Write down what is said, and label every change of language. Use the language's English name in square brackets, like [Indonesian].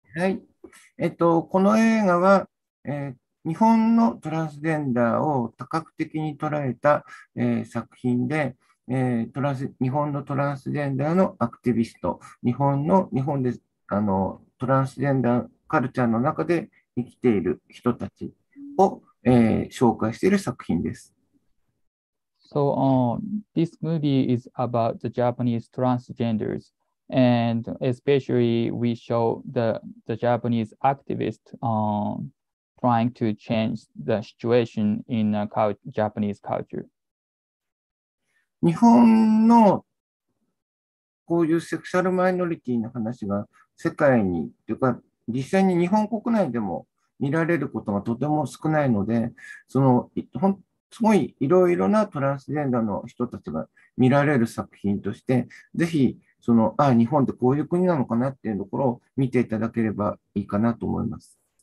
[Japanese] はい、この映画は、日本のトランスジェンダーを多角的に捉えた、作品で、日本のトランスジェンダーのアクティビスト、日本でトランスジェンダーカルチャーの中で生きている人たちを、紹介している作品です。 [English] So this movie is about the Japanese transgenders, and especially we show the Japanese activist trying to change the situation in a Japanese culture. [Japanese] 日本のこういうセクシャルマイノリティの話が世界にというか実際に日本国内でも見られることがとても少ないので、そのすごいいろいろなトランスジェンダーの人たちが見られる作品として、ぜひその、あ、日本ってこういう国なのかなっていうところを見ていただければいいかなと思います。